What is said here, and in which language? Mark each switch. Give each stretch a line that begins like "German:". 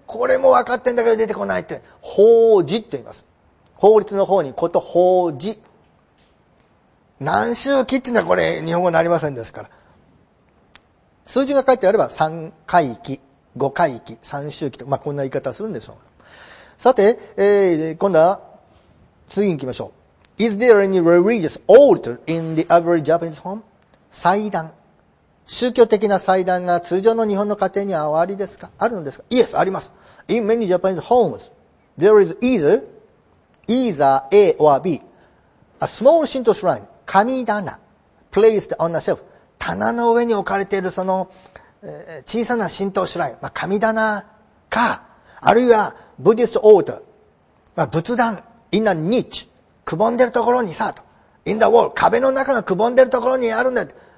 Japanese: これもわかってんだけど出てこないって。法事って言います。法律の方にこと法事。何周期っていうのはこれ日本語になりませんですから、数字が書いてあれば3回期、5回期、3周期と、まあ、こんな言い方をするんでしょう。さて、今度は次に行きましょう。
English: Is there any religious altar in the average Japanese home?
Japanese: 祭壇、宗教的な祭壇が通常の日本の家庭にはありですか、あるのですか。
English: Yes,
Japanese: あります。
English: In many Japanese homes there is either A or B a small Shinto shrine 神棚 placed on a shelf、
Japanese: 棚の上に置かれているその小さな神道シュライン、まあ、神棚か、あるいは
English: Buddhist altar、
Japanese: まあ、仏壇
English: in a niche、
Japanese: くぼんでるところにさ、と
English: in the wall、
Japanese: 壁の中のくぼんでるところにあるんだよ。